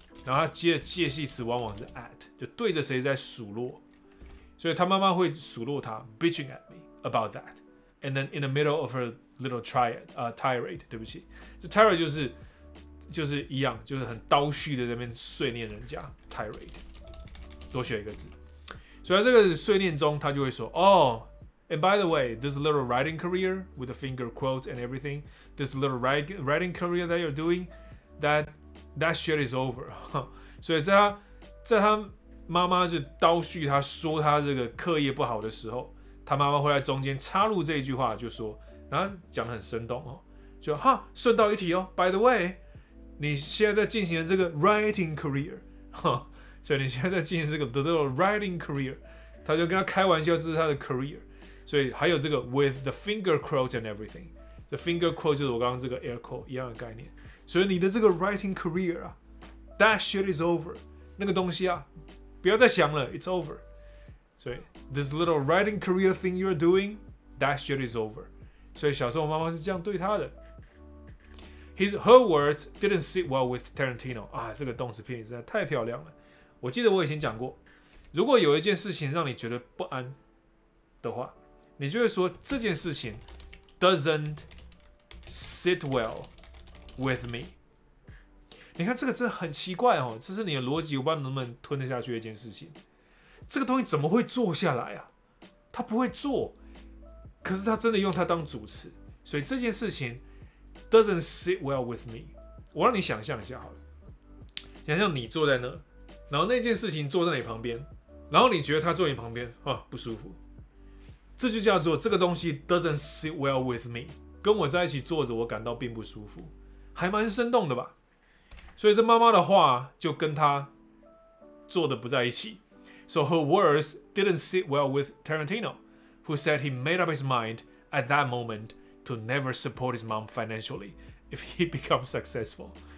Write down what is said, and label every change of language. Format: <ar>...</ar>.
<zh>然后他接的介系词往往是 at， 就对着谁在数落，所以他妈妈会数落他</zh> <en>bitching at me about that， and then in the middle of her little triad， tirade，</en> <zh>对不起，这 tirade 就是一样，就是很刀絮的在那边碎念人家 tirade， 多学一个字。所以在这个碎念中，他就会说，哦。</zh> <en>And by the way, this little writing career with the finger quotes and everything, this little writing career that you're doing, that shit is over.</en> <zh>所以在他妈妈就叨絮他说他这个课业不好的时候，他妈妈会在中间插入这一句话，就说，然后讲得很生动哦，就哈，顺道一提哦 ，</zh> <en>By the way，</en> <zh>你现在在进行的这个 writing career， 所以你现在在进行这个</zh> <en>the little writing career，</en> <zh>他就跟他开玩笑，这是他的 career。所以还有这个</zh> <en>with the finger quotes and everything，</en> <zh>the finger quote 就是我刚刚这个 air quote 一样的概念。所以你的这个 writing career 啊，</zh> <en>that shit is over，</en> <zh>那个东西啊，不要再想了，</zh> <en>it's over。所以 this little writing career thing you're doing， that shit is over。</en> <zh>所以小时候妈妈是这样对他的。</zh> <en>Her words didn't sit well with Tarantino</en> <zh>啊，这个动词片语实在太漂亮了。我记得我以前讲过，如果有一件事情让你觉得不安的话，你就会说这件事情</zh> <en>doesn't sit well with me。</en> <zh>你看这个真的很奇怪哦，这是你的逻辑，我不知道能不能吞得下去的一件事情。这个东西怎么会坐下来啊？他不会坐，可是他真的用它当主词，所以这件事情</zh> <en>doesn't sit well with me。</en> <zh>我让你想象一下好了，想象你坐在那，然后那件事情坐在你旁边，然后你觉得他坐在你旁边啊不舒服。这就叫做这个东西</zh> <en>doesn't sit well with me，</en> <zh>跟我在一起坐着我感到并不舒服，还蛮生动的吧。所以这妈妈的话就跟她坐的不在一起。</zh> <en>So her words didn't sit well with Tarantino， who said he made up his mind at that moment to never support his mom financially if he becomes successful。</en>